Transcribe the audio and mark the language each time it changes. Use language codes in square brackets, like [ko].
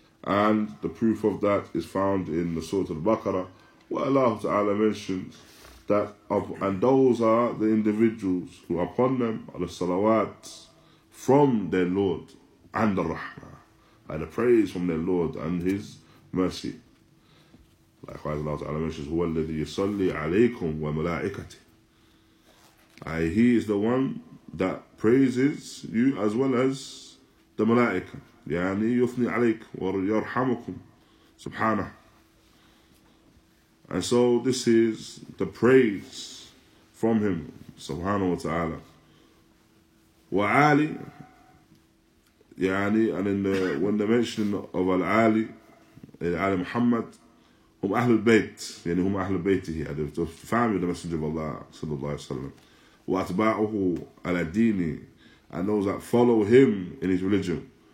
[en] And the proof of that is found in the Surah Al-Baqarah, where Allah Ta'ala mentions that of, and those are the individuals who upon them are the salawat from their Lord and the rahmah, and the praise from their Lord and his mercy. Likewise, Allah Ta'ala mentions, [ar] هو الذي يصلي عليكم وملائكته. [en] He is the one that praises you as well as the malaika. [ar] يعني يثني عليك ويرحمكم سبحانه. [en] And so this is the praise from him, subhanahu wa ta'ala. Wa'ali, yani, and then when they mention of Al-Ali, Al-Ali Muhammad, [ar] هم أهل البيت يعني هم أهل بيته يعني فهم [en] the messenger of Allah صلى الله عليه وسلم [ar] وأتباعه على ديني [en] and those that follow him in his religion.